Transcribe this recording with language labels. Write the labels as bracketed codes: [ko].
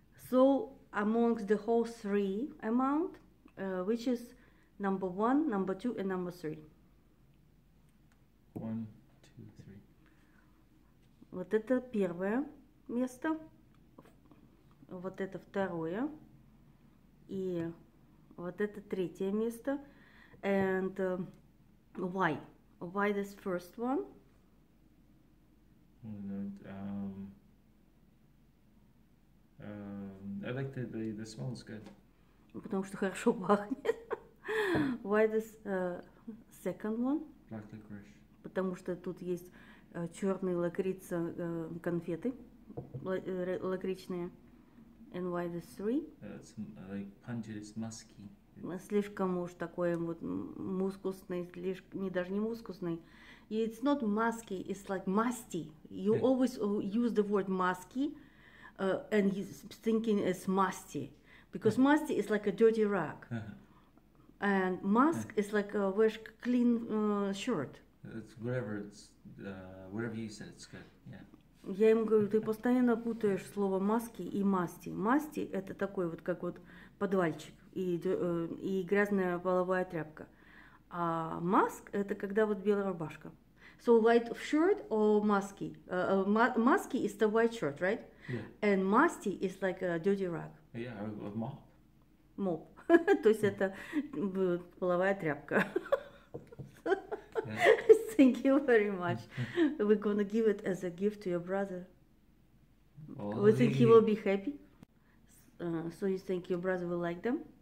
[en] So, amongst the whole three amount, which is number one, number two, and number three? One, two, three. [ru] Вот это первое место, вот это второе, и вот это третье место. [en] And why? Why this first one? I like the smell is good. [ru] Потому что хорошо пахнет. [en] Why this second one? Black licorice. [ru] Потому что тут есть черные лакрица конфеты, лакричные. [en] And why this three? It's like pungent, it's musky. [ru] Слишком уж такой вот мускусный, слишком, не даже не мускусный. [en] It's not musky, it's like musty. You always use the word musky and he's thinking it's musty. Because musty is like a dirty rag. And musk is like a wash clean shirt. It's whatever, it's, whatever you said, it's good, yeah. [ru] Я ему говорю, ты постоянно путаешь слово маски и масти. Масти – это такой вот, как вот подвальчик и грязная половая тряпка. А маск – это когда вот белая рубашка. [en] So white shirt or musky? Musky is the white shirt, right? Yeah. And musty is like a dirty rag. Yeah, a mop. Mop. [ru] То есть это половая тряпка. [en] Yeah. Thank you very much. We're gonna give it as a gift to your brother. Well, we think he will be happy. So you think your brother will like them?